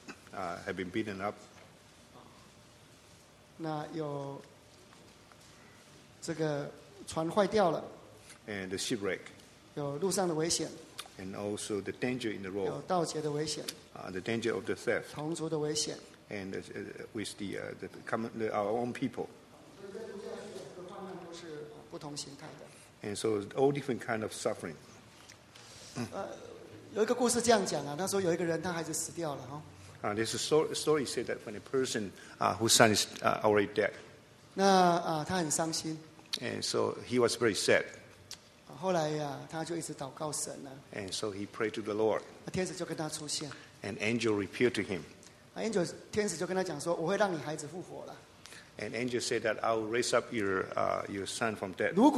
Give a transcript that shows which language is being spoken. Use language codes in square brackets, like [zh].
[zh] 我们来念第九啊，第十一章。 [en] Let's read chapter 11. [zh] 11这边有下监牢，受鞭打。11:23， [en] including verse 23，imprisoned, have been beaten up. [zh] 那有这个船坏掉了，and [en] the shipwreck， [zh] 有路上的危险，and [en] also the danger in the road， [zh] 有盗劫的危险，the [en] danger of the theft， [zh] 同族的危险，and [en] with the common our own people， [zh] 所以在路上的患难都是不同形态的， [en] and so all different kind of suffering。 [zh] 有一个故事这样讲啊，他说有一个人他孩子死掉了哈， [en] this story said that when a person whose son is already dead。 [zh] 那他很伤心 [en] ，and so he was very sad. [zh] 后来呀，他就一直祷告神了。and [en] so he prayed to the Lord. [zh] 天使就跟他出现。and [en] angel appeared to him. [zh] 天使就跟他讲说，我会让你孩子复活了。and [en] angel said that I will raise up your son from death.